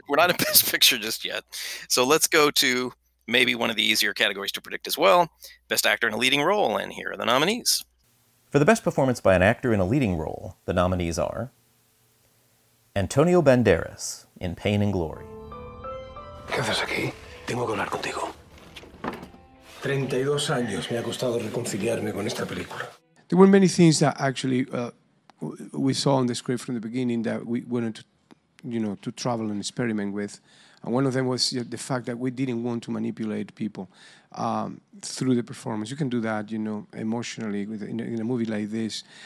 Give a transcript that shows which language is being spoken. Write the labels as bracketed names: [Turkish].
[English] we're not in Best Picture just yet. So let's go to maybe one of the easier categories to predict as well: Best Actor in a Leading Role. And here are the nominees for the Best Performance by an Actor in a Leading Role. The nominees are Antonio Banderas in Pain and Glory. [Spanish] ¿Qué haces aquí? Tengo que hablar contigo. 32 años me ha costado reconciliarme con esta película. [English] There were many things that actually we saw on the script from the beginning that we wanted to, you know, to travel and experiment with. And one of them was the fact that we didn't want to manipulate people through the performance. You can do that, you know, emotionally in a movie like this.